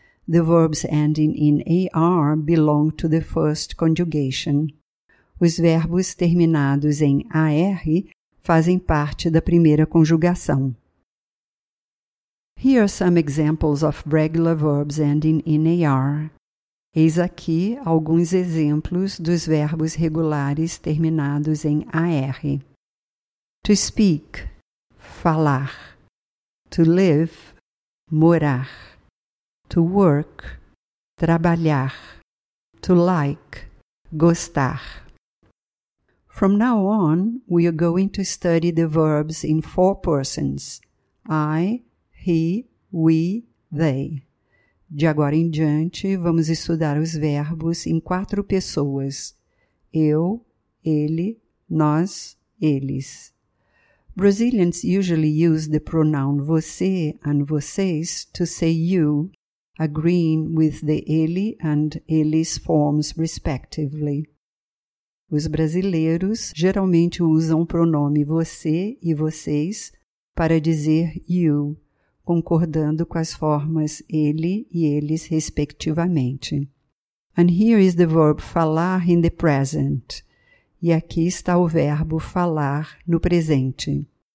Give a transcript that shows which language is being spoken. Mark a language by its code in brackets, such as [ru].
[en] The verbs ending in AR belong to the first conjugation. [pt] Os verbos terminados em AR fazem parte da primeira conjugação. [en] Here are some examples of regular verbs ending in AR. [pt] Eis aqui alguns exemplos dos verbos regulares terminados em AR. [en] To speak, falar. To live, morar. To work, trabalhar. To like, gostar. From now on, we are going to study the verbs in 4 persons. I, he, we, they. [pt] De agora em diante, vamos estudar os verbos em quatro pessoas. Eu, ele, nós, eles. [en] Brazilians usually use the pronoun você and vocês to say you, agreeing with the ele and eles forms respectively. [pt] Os brasileiros geralmente usam o pronome você e vocês para dizer you, concordando com as formas ele e eles respectivamente. [en] And here is the verb falar in the present. [pt] E aqui está o verbo falar no presente.